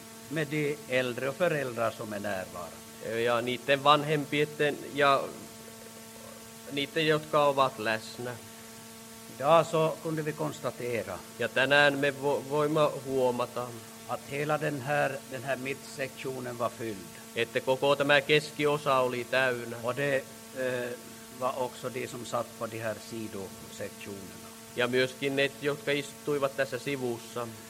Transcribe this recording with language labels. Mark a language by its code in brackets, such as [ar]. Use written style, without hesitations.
[sv] Med de äldre och föräldrar som är närvarande. [fi] Ja niiden vanhempien ja niiden, jotka ovat läsnä. [sv] Ja så kunde vi konstatera. [fi] Ja tänään me voimme huomata. [sv] Att hela den här mittsektionen var fylld. [fi] Että koko tämä keskiosa oli täynnä. [sv] Och det var också de som satt på de här sidosektionerna. [fi] Ja myöskin ne, jotka istuivat tässä sivussa.